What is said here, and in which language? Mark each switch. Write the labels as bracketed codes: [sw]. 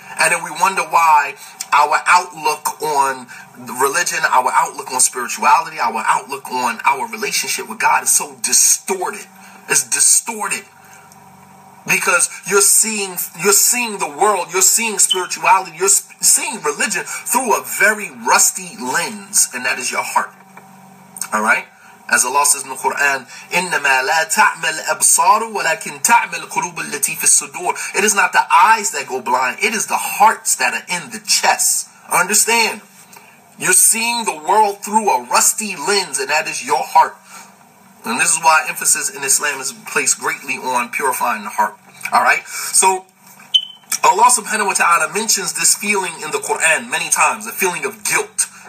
[en] And then we wonder why our outlook on religion, our outlook on spirituality, our outlook on our relationship with God is so distorted. It's distorted. Because you're seeing the world, you're seeing spirituality, you're seeing religion through a very rusty lens, and that is your heart. All right? As Allah says in the Quran, [ar] إِنَّمَا لَا تَعْمَ الْأَبْصَارُ وَلَكِنْ تَعْمَ الْقُلُوبُ الَّتِي فِي الصُّدُورِ. [en] It is not the eyes that go blind, it is the hearts that are in the chest. Understand? You're seeing the world through a rusty lens, and that is your heart. And this is why emphasis in Islam is placed greatly on purifying the heart. All right? So Allah subhanahu wa ta'ala mentions this feeling in the Quran many times, the feeling of guilt.